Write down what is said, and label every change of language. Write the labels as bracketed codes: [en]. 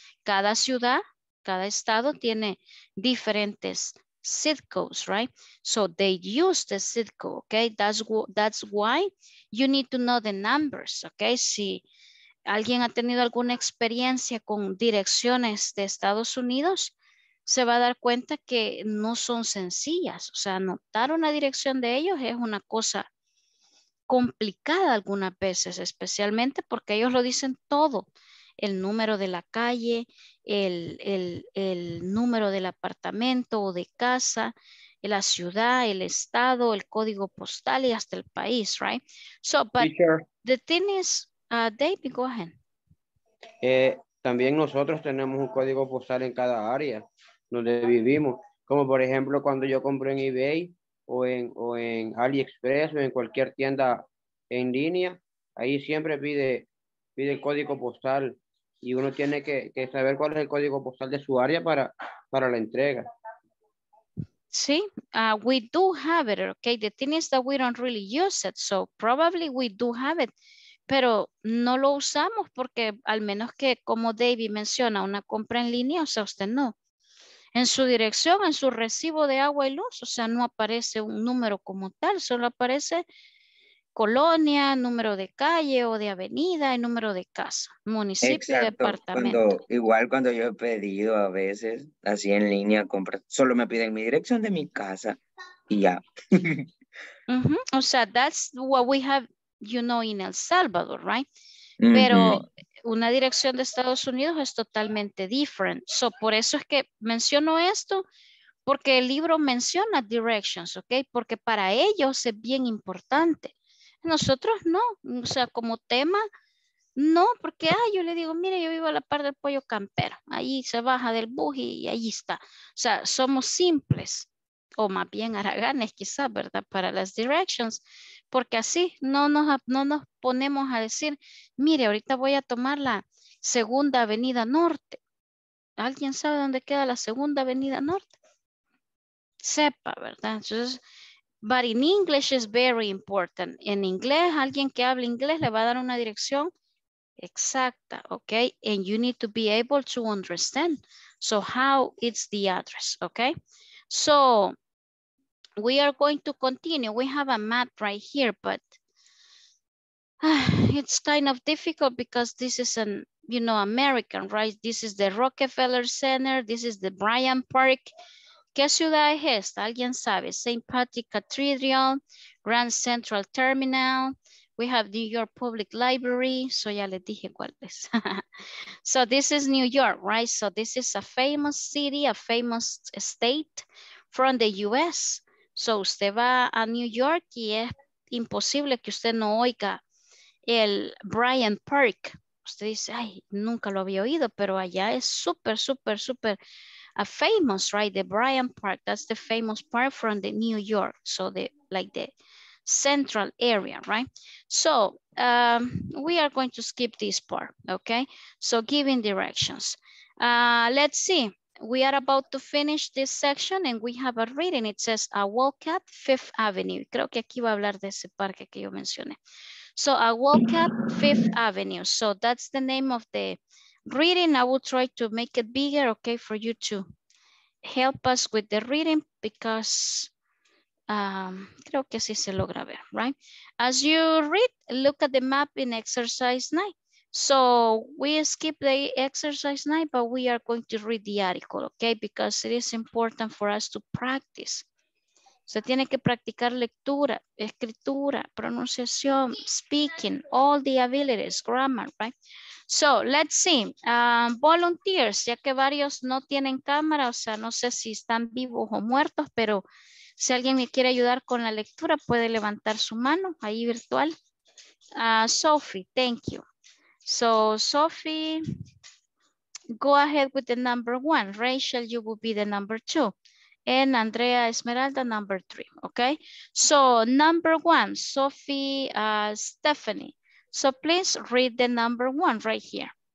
[es] Cada ciudad, cada estado tiene diferentes zip codes, right? [en] So they use the zip code, okay? That's why you need to know the numbers, okay? [es] Si alguien ha tenido alguna experiencia con direcciones de Estados Unidos, se va a dar cuenta que no son sencillas. O sea, anotar una dirección de ellos es una cosa complicada algunas veces, especialmente porque ellos lo dicen todo, el número de la calle, el número del apartamento o de casa, la ciudad, el estado, el código postal y hasta el país, right? [en] So, but the thing is, David, go ahead. [es] También nosotros tenemos un código postal en cada área donde vivimos, como por ejemplo cuando yo compré en eBay, o en AliExpress o en cualquier tienda en línea, ahí siempre pide el código postal y uno tiene que saber cuál es el código postal de su área para la entrega. [en] Sí, we do have it, okay? The thing is that we don't really use it, so probably we do have it, [es] pero no lo usamos porque al menos que, como David menciona, una compra en línea, o sea, usted no. En su dirección, en su recibo de agua y luz, o sea, no aparece un número como tal, solo aparece colonia, número de calle o de avenida, y número de casa, municipio, exacto, departamento. Cuando, igual cuando yo he pedido a veces, así en línea, compra, solo me piden mi dirección de mi casa y ya. [en] Uh-huh. [es] O sea, [en] that's what we have, you know, in El Salvador, right? Uh-huh. [es] Pero una dirección de Estados Unidos es totalmente different. So, por eso es que menciono esto, porque el libro menciona directions, ¿ok? Porque para ellos es bien importante. Nosotros no. O sea, como tema, no. Porque, yo le digo, mire, yo vivo a la par del Pollo Campero. Ahí se baja del bus y ahí está. O sea, somos simples. O más bien haraganes, quizás, ¿verdad? Para las directions. Porque así no nos ponemos a decir, mire, ahorita voy a tomar la Segunda Avenida Norte. ¿Alguien sabe dónde queda la Segunda Avenida Norte? Sepa, ¿verdad? Entonces, [en] but in English is very important. [es] En inglés, alguien que hable inglés le va a dar una dirección exacta, ¿ok? [en] And you need to be able to understand. So how it's the address, ¿ok? So we are going to continue. We have a map right here, but it's kind of difficult because this is an, you know, American, right? This is the Rockefeller Center. This is the Bryant Park. [es] ¿Qué ciudad es esta? ¿Alguien sabe? St. Patrick Cathedral, Grand Central Terminal. [en] We have New York Public Library. So [es] ya les dije cuál es. [en] So this is New York, right? So this is a famous city, a famous state from the U.S. [es] So usted va a New York y es imposible que usted no oiga el Bryant Park. Usted dice, ay, nunca lo había oído, pero allá es súper, súper, súper famous, right? [en] The Bryant Park, that's the famous park from the New York. So the, like the central area, right? So we are going to skip this part, okay? So giving directions. Let's see, we are about to finish this section and we have a reading. It says, a walk at Fifth Avenue. [es] Creo que aquí va a hablar de ese parque que yo mencioné. [en] So a walk at Fifth Avenue. So that's the name of the reading. I will try to make it bigger, okay, for you to help us with the reading because [es] creo que sí se logra ver, [en] right? As you read, look at the map in exercise 9. So we skip the exercise 9, but we are going to read the article, okay? Because it is important for us to practice. [es] Se tiene que practicar lectura, escritura, pronunciación, [en] speaking, all the abilities, grammar, [es] right? [en] So, let's see. [es] Volunteers, ya que varios no tienen cámara, o sea, no sé si están vivos o muertos, pero si alguien me quiere ayudar con la lectura, puede levantar su mano ahí virtual [en] Sophie, thank you. So Sophie, go ahead with the number one. Rachel, you will be the number two. And Andrea Esmeralda, number three, okay? So number one, Sophie, Stephanie. So please read the number one right here.